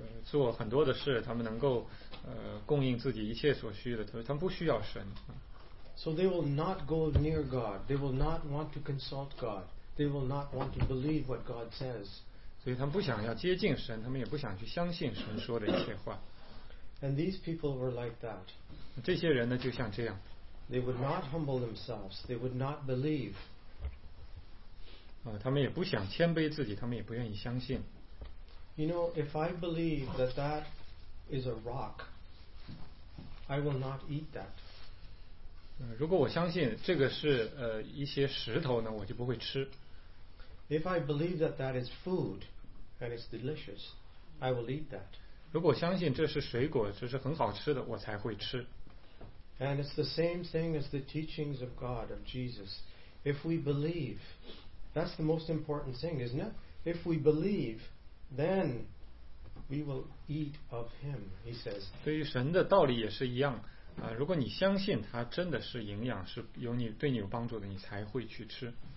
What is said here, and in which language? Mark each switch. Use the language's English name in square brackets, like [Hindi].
[Chinese] 做很多的事，他们能够供应自己一切所需的，他们不需要神。 [English] So they will not go near God. They will not want to consult God. They will not want to believe what God says. [Chinese] 所以他们不想要接近神，他们也不想去相信神说的一切话。 [English] And these people were like that. [Chinese] 这些人呢，就像这样。 [English] They would not humble themselves. They would not believe. [Chinese] 他们也不想谦卑自己，他们也不愿意相信。 [English] You know, if I believe that that is a rock, I will not eat that. [Chinese] 如果我相信这个是一些石头呢，我就不会吃。 [English] If I believe that that is food and it's delicious, I will eat that. [Chinese] 如果我相信这是水果，这是很好吃的，我才会吃。 [English] And it's the same thing as the teachings of God, of Jesus. If we believe, that's the most important thing, isn't it? If we believe... Then we will eat of him, he says. [Chinese] 对于神的道理也是一样啊，如果你相信他真的是营养，是有你对你有帮助的，你才会去吃。